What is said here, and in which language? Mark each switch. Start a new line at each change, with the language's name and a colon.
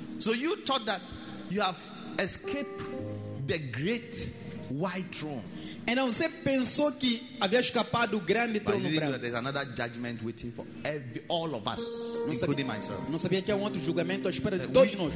English: So you thought that you have escaped the great white throne.
Portuguese: Então você pensou que havia escapado o grande trono branco.
English: But you didn't know that there's another judgment waiting for every, all of us, including myself.
Portuguese: Não sabia que há outro julgamento à espera de todos nós.